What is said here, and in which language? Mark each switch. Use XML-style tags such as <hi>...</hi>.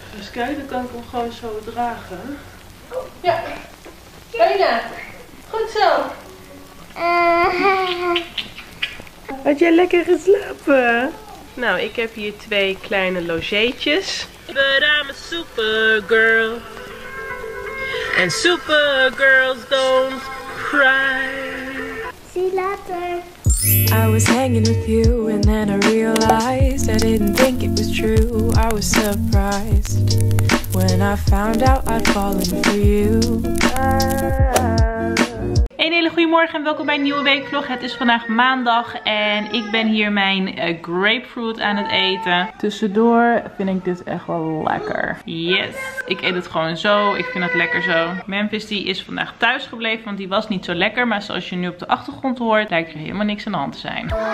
<nl>Dus kijk, dan kan ik hem gewoon zo dragen. Oh, ja. Bijna. Goed zo. Had jij lekker geslapen? Nou, ik heb hier twee kleine logeetjes.</nl> <en>But I'm a supergirl. And supergirls don't cry. See you later. I was hanging with you and then I realized I didn't think it was true. I was surprised when I found out I'd fallen for you.</en> <nl>Een hele goede morgen en welkom bij een nieuwe weekvlog. Het is vandaag maandag en ik ben hier mijn grapefruit aan het eten. Tussendoor vind ik dit echt wel lekker. Yes, ik eet het gewoon zo. Ik vind het lekker zo. Memphis die is vandaag thuis gebleven, want die was niet zo lekker. Maar zoals je nu op de achtergrond hoort, lijkt er helemaal niks aan de hand te zijn.</nl>